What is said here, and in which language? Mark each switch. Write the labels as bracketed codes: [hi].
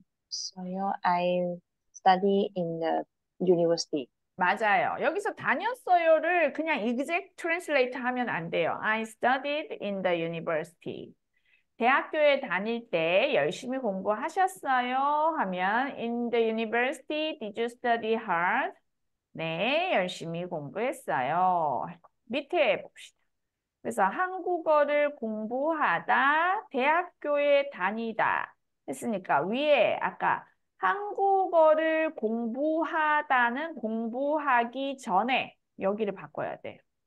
[ko] 써요. [en] I study in the university. [ko] 맞아요. 여기서 다녔어요를 그냥 [en] exact translate [ko] 하면 안 돼요. [en] I studied in the university. [ko] 대학교에 다닐 때 열심히 공부하셨어요? 하면 [en] in the university, did you study hard? [ko] 네, 열심히 공부했어요. 밑에 봅시다. 그래서 한국어를 공부하다, 대학교에 다니다 했으니까 위에 아까 한국어를 공부하다는 공부하기 전에 여기를 바꿔야 돼요.